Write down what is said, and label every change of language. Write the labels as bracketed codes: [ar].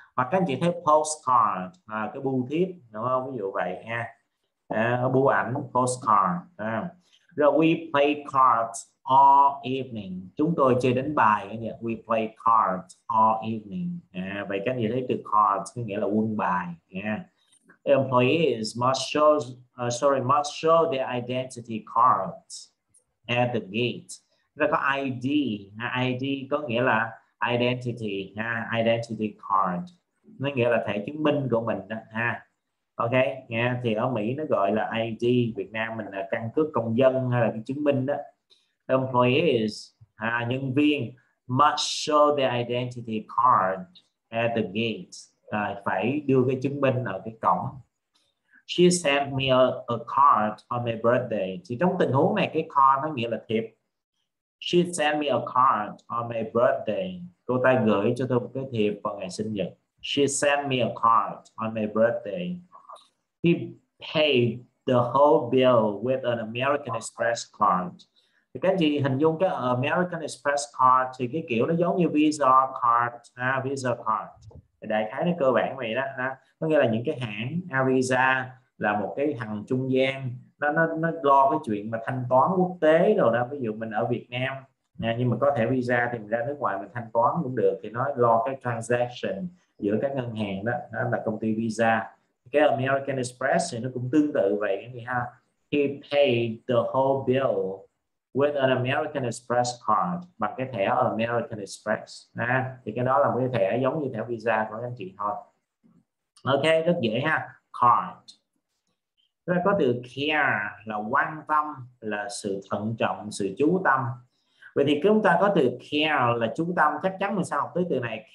[vi] Hoặc các anh chị thấy postcard, à, cái bưu thiếp đúng không? Ví dụ vậy ha. Bưu ảnh postcard. À. Rồi [en] we play cards all evening. [vi] Chúng tôi chơi đánh bài nha. [en] We play cards all evening. [vi] À, vậy các anh chị thấy từ cards có nghĩa là quân bài nha. [en] Employees must show their identity cards at the gate. [vi] Rồi có ID. ID có nghĩa là identity ha, identity card. Nó nghĩa là thẻ chứng minh của mình đó ha. Ok, nha, yeah. Thì ở Mỹ nó gọi là ID, Việt Nam mình là căn cước công dân hay là cái chứng minh đó. [en] Employees, à, [vi] nhân viên [en] must show their identity card at the gate. [vi] À, phải đưa cái chứng minh ở cái cổng. [en] She sent me a card on my birthday. [vi] Thì trong tình huống này cái card nó nghĩa là thiệp. [en] She sent me a card on my birthday. [vi] Cô ta gửi cho tôi một cái thiệp vào ngày sinh nhật. [en] She sent me a card on my birthday. He paid the whole bill with an American Express card. [vi] Thì các anh chị hình dung cái American Express card thì cái kiểu nó giống như Visa card, ha, Visa card. Đại khái nó cơ bản vậy đó. Ha. Có nghĩa là những cái hãng Visa là một cái hàng trung gian, nó lo cái chuyện mà thanh toán quốc tế rồi đó. Ví dụ mình ở Việt Nam, nhưng mà có thẻ Visa thì mình ra nước ngoài mình thanh toán cũng được. Thì nó lo cái transaction giữa các ngân hàng đó, đó là công ty Visa. Cái American Express thì nó cũng tương tự vậy cái gì ha. [en] He paid the whole bill with an American Express card, [vi] bằng cái thẻ American Express ha. Thì cái đó là một cái thẻ giống như thẻ Visa của anh chị thôi. Ok, rất dễ ha. Card. Rồi có từ care là quan tâm, là sự thận trọng, sự chú tâm. Vậy thì chúng ta có từ care là chú tâm, chắc chắn mình sẽ học tới từ này.